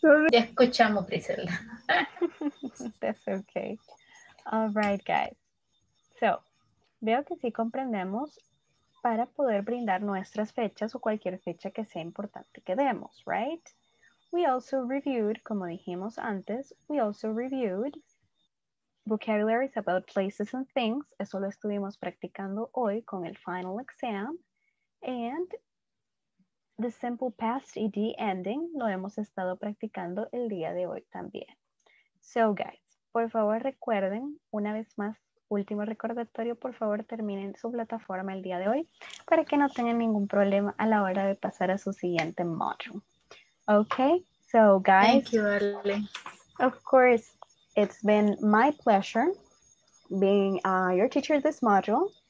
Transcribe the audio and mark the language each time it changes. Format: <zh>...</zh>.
<es>Ya escuchamos, Priscilla.</es> <en>That's okay. All right, guys.</en> <es>So, veo que sí comprendemos para poder brindar nuestras fechas o cualquier fecha que sea importante que demos, right?</es> <en>We also reviewed, como dijimos antes, we also reviewed vocabularies about places and things.</en> <es>Eso lo estuvimos practicando hoy con el final exam. And the simple past ed ending lo hemos estado practicando el día de hoy también. So guys, por favor recuerden, una vez más, último recordatorio, por favor terminen su plataforma el día de hoy para que no tengan ningún problema a la hora de pasar a su siguiente module.</es> <en>Okay, so guys. Thank you, Ale. Of course, it's been my pleasure being your teacher this module.</en>